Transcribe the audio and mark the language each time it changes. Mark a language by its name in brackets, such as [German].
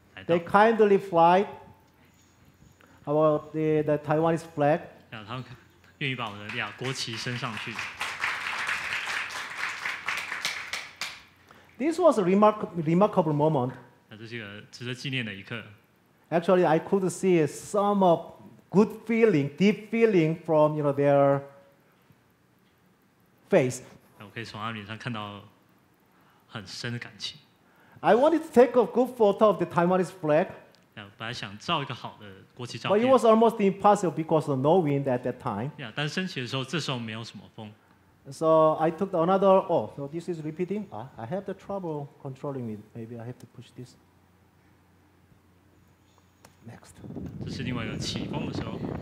[English] They kindly fly our the Taiwanese flag. [Chinese] 他们愿意把我们的国旗升上去。 [English] This was a remarkable moment. [Chinese] 这是一个值得纪念的一刻。 [English] Actually, I could see some of good feeling, deep feeling from, you know, their face. [Chinese] 我可以从他们脸上看到很深的感情。 [English] I wanted to take a good photo of the Taiwanese flag. [Chinese] 本来想照一个好的国旗照片。 [English] But it was almost impossible because of no wind at that time. [Chinese] 但升起的时候，这时候没有什么风。 [English] So I took another. Oh, so this is repeating. I have the trouble controlling it. Maybe I have to push this. Next. [Chinese] 这是另外一个起风的时候。